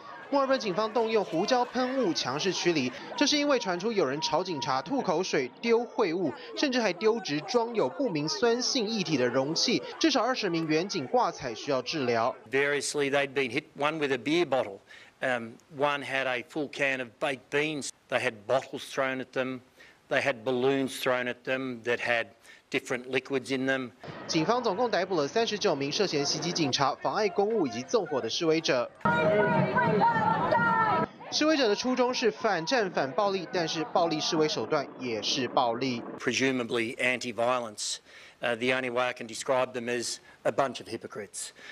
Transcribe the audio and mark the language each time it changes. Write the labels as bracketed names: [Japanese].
[Chinese] 墨尔本警方动用胡椒喷雾强势驱离，这是因为传出有人朝警察吐口水、丢秽物，甚至还丢掷装有不明酸性液体的容器，至少20名远警挂彩需要治疗。 [English] Variously, they'd been hit one with a beer bottle, one had a full can of baked beans. They had bottles thrown at them, they had balloons thrown at them that had. Different liquids in them. [Chinese] 警方总共逮捕了39名涉嫌袭击警察、妨碍公务以及纵火的示威者。示威者的初衷是反战反暴力，但是暴力示威手段也是暴力。 [English] Presumably anti-violence. The only way I can describe them is a bunch of hypocrites.